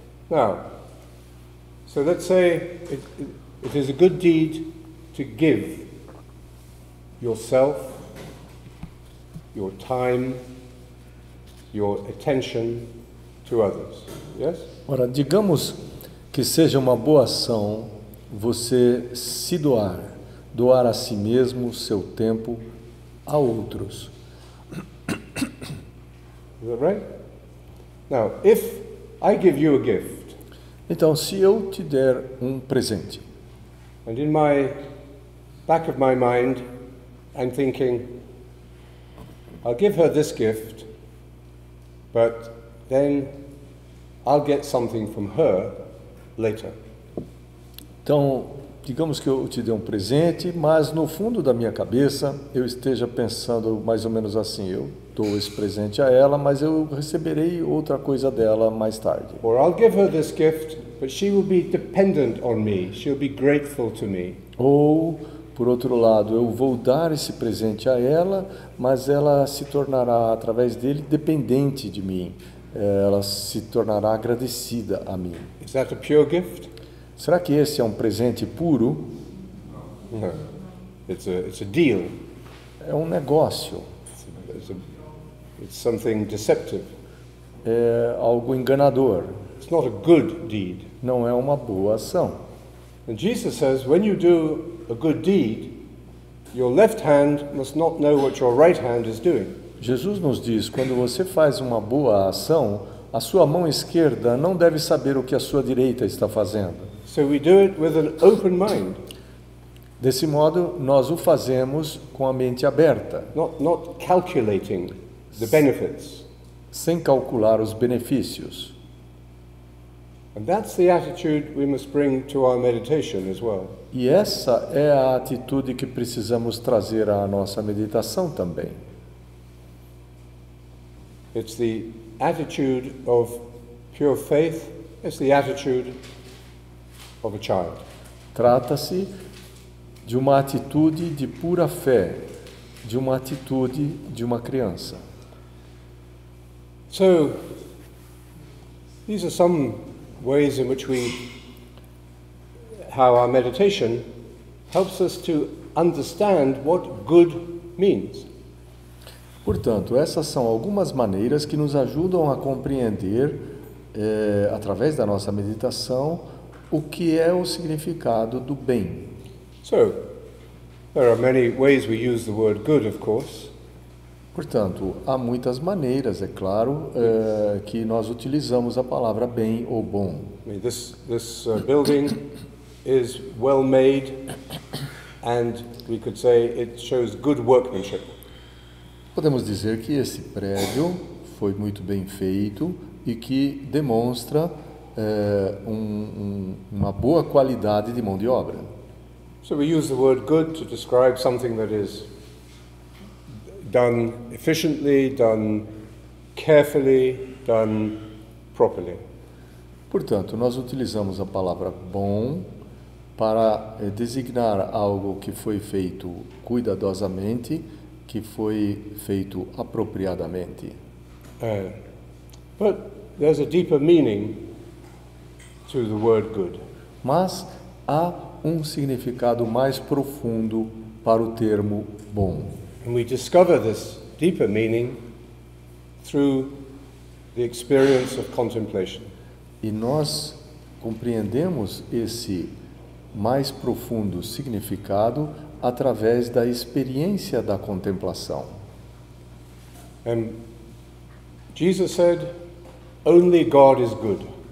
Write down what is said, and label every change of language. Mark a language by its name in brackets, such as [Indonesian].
[English] Now, so let's say it is a good deed to give yourself, your time, your attention to others. Yes? [Portuguese] Ora, digamos que seja uma boa ação você se doar, doar a si mesmo, seu tempo, a outros. [English] Is that right? Now, if I give you a gift, [Portuguese] então, se eu te der um presente, [English] and in my back of my mind, I'm thinking, I'll give her this gift, but then I'll get something from her later. [Portuguese] Então, digamos que eu te dê um presente, mas no fundo da minha cabeça eu esteja pensando mais ou menos assim, eu dou esse presente a ela, mas eu receberei outra coisa dela mais tarde. [English] Or I'll give her this gift, but she will be dependent on me. She'll be grateful to me. [Portuguese] Ou, por outro lado, eu vou dar esse presente a ela, mas ela se tornará, através dele, dependente de mim. Ela se tornará agradecida a mim. [English] Is that a pure gift? [Portuguese] Será que esse é um presente puro? [English] It's a deal. [Portuguese] É um negócio. [English] It's something deceptive. [Portuguese] É algo enganador. [English] It's not a good deed. [Portuguese] Não é uma boa ação. [English] And Jesus says, when you do a good deed, your left hand must not know what your right hand is doing. [Portuguese] Jesus nos diz, quando você faz uma boa ação, a sua mão esquerda não deve saber o que a sua direita está fazendo. [English] So we do it with an open mind. [Portuguese] Desse modo, nós o fazemos com a mente aberta. [English] Not calculating the benefits. [Portuguese] Sem calcular os benefícios. [English] And that's the attitude we must bring to our meditation as well. [Portuguese] E essa é a atitude que precisamos trazer à nossa meditação também. [English] It's the attitude of pure faith. It's the attitude of a child. [Portuguese] Trata-se de uma atitude de pura fé, de uma atitude de uma criança. [English] So, these are some ways in which how our meditation helps us to understand what good means. [Portuguese] Portanto, essas são algumas maneiras que nos ajudam a compreender, através da nossa meditação, o que é o significado do bem. [English] So, there are many ways we use the word good, of course. [Portuguese] Portanto, há muitas maneiras, é claro, que nós utilizamos a palavra bem ou bom. [English] I mean, this building is well made, and we could say it shows good workmanship. [Portuguese] Podemos dizer que esse prédio foi muito bem feito e que demonstra uma boa qualidade de mão de obra. [English] So we use the word good to describe something that is done efficiently, done carefully, done properly. [Portuguese] Portanto, nós utilizamos a palavra bom para designar algo que foi feito cuidadosamente, que foi feito apropriadamente. [English] But there's a deeper meaning to the word good. [Portuguese] Mas há um significado mais profundo para o termo bom. [English] And we discover this deeper meaning through the experience of contemplation. [Portuguese] E nós compreendemos esse mais profundo significado através da experiência da contemplação. [English] And Jesus said, only God is good.